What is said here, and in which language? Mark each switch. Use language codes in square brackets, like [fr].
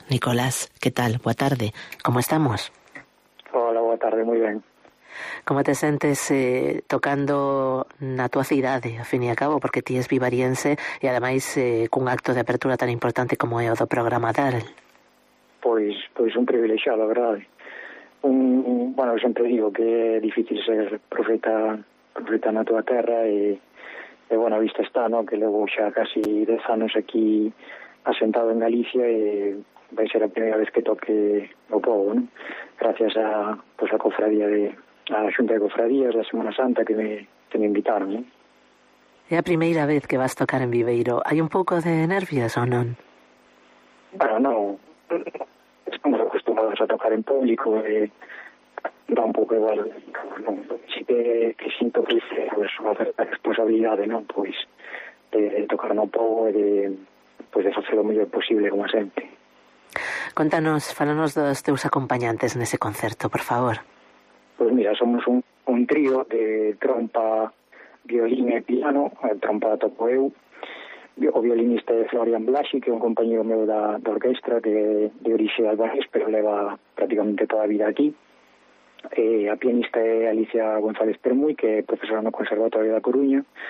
[es] Nicolás, ¿qué tal? Buena tarde. ¿Cómo estamos? Hola, buena tarde, muy bien. ¿Cómo te sientes tocando [gl] na tua cidade, [es] a fin y a cabo? [gl] Porque ti es vivariense [es] y además [gl] cun acto de apertura tan importante como é o do programa Adral. Pois un privilegio, [es] la verdad. [gl] Bueno, eu sempre digo que é difícil ser profeta na tua terra e bueno, vista está, ¿no? Que levo xa casi 10 anos aquí asentado en Galicia e vai ser a primeira vez que toque o povo, ¿no? Gracias a, pues, a cofradía de a Xunta de Cofradías da Semana Santa que me invitaron, ¿eh? É a primeira vez que vas tocar en Viveiro. Hai un pouco de nervios ou non? Bueno, non. Estamos acostumados a tocar en público e dá un pouco igual. Non, si que sinto que é pues, unha responsabilidade, non? Pois de tocar no povo e de facer o mellor posible como sempre. Contanos, falanos dos teus acompañantes nese concerto, por favor. Pues mira, somos un trío de trompa, violín e piano. Trompa toco eu. O violinista é Florian Blasi, que é un compañero meu da orquestra, que de orixe albanés, pero leva prácticamente toda a vida aquí. A pianista é Alicia González Permuy, que é profesora no Conservatorio da Coruña.